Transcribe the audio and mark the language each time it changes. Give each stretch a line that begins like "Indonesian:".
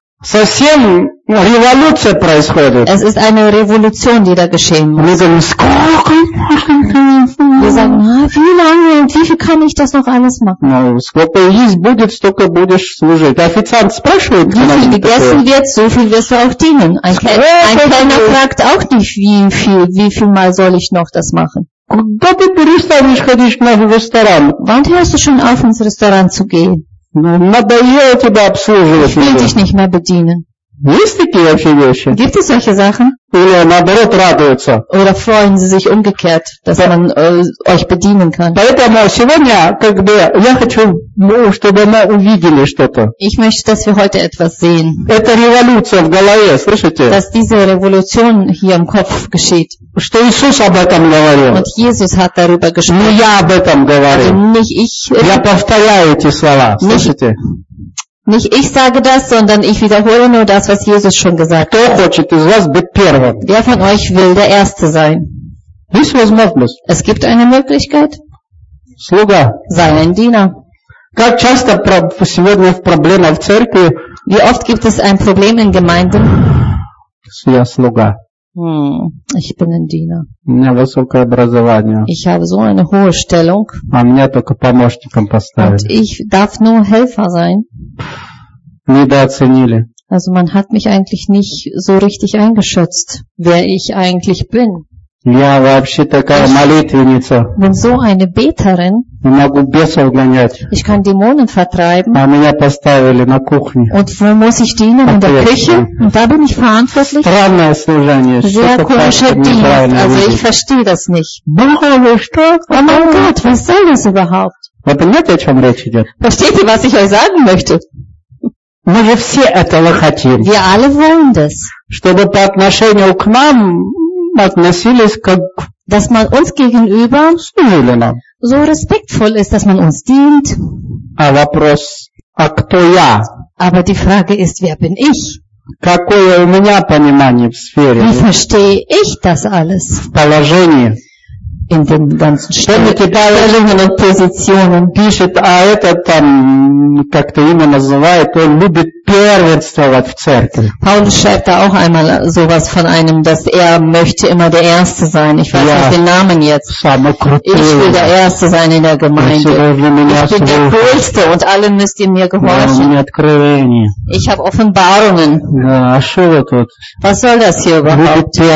Russian: Совсем революция происходит.
German: Es ist eine Revolution, die da geschehen muss. Wir sagen,
Russian: сколько
German: machen können. Wir sagen, wie lange und wie viel kann ich das noch alles machen?
Russian: Ну, сколько есть будет, столько будешь служить. Официант спрашивает,
German: wie viel gegessen wird, so viel wirst du auch dienen. Ein Kellner fragt auch nicht, wie viel mal soll ich noch das machen.
Russian: Когда ты перестанешь ходить в наш ресторан?
German: Wann hörst du schon auf, ins Restaurant zu gehen?
Russian: Надоело тебя обслуживать.
German: Ich will dich nicht mehr bedienen.
Russian: Есть такие вообще вещи?
German: Gibt es solche Sachen?
Russian: Или наоборот радуются?
German: Oder freuen sie sich umgekehrt, dass man euch bedienen kann?
Russian: Поэтому сегодня, как бы, я хочу, чтобы мы увидели что-то.
German: Ich möchte, dass wir heute etwas sehen.
Russian: Это революция в голове, слышите?
German: Dass diese Revolution hier im Kopf geschieht.
Russian: Что Иисус об этом говорил?
German: Und Jesus hat darüber gesprochen.
Russian: Не я об этом говорил.
German: Nicht ich.
Russian: Я повторяю эти слова, слышите?
German: Nicht ich sage das, sondern ich wiederhole nur das, was Jesus schon gesagt hat. Wer von euch will der Erste sein? Es gibt eine Möglichkeit.
Russian: Sluga.
German: Sei ein Diener.
Russian: Как часто сегодня проблема в церкви?
German: Wie oft gibt es ein Problem in Gemeinden?
Russian: Я слуга.
German: Ich bin ein Diener.
Russian: У меня высокое образование.
German: Ich habe so eine hohe Stellung.
Russian: А меня только помощником поставили.
German: Und ich darf nur Helfer sein.
Russian: Недооценили.
German: Also man hat mich eigentlich nicht so richtig eingeschätzt, wer ich eigentlich bin.
Russian: Я вообще такая молитвенница.
German: Bin so eine Beterin.
Russian: Я могу бесов гонять.
German: Ich kann Dämonen vertreiben.
Russian: А меня поставили на кухне.
German: Und wo muss ich dienen? In der Küche? Und da bin ich verantwortlich?
Russian: Странное служение.
German: Sehr komischer Dienst. Also ich verstehe das nicht.
Russian: Боже, что?
German: Oh mein Gott, was soll das überhaupt?
Russian: Вы понимаете, о чем речь идет?
German: Versteht ihr, was ich euch sagen möchte?
Russian: Мы же все этого хотим.
German: Wir alle wollen das.
Russian: Чтобы по отношению к нам относились как...
German: Dass man uns gegenüber so respektvoll ist, dass man uns dient.
Russian: А вопрос, а кто я?
German: Aber die Frage ist, wer bin ich?
Russian: Какое у меня понимание в сфере?
German: Wie verstehe ich das alles?
Russian: В положении.
German: In den ganzen Stellungen und Positionen.
Russian: Пишет, а этот там, как это имя называет, он любит первенствовать в церкви.
German: Paulus schreibt da auch einmal sowas von einem, dass er möchte immer der Erste sein. Ich weiß nicht den Namen jetzt. Ich will der Erste sein in der Gemeinde. Ich bin der Größte und alle müsst ihr mir gehorchen. Ich habe Offenbarungen. Was soll das hier überhaupt?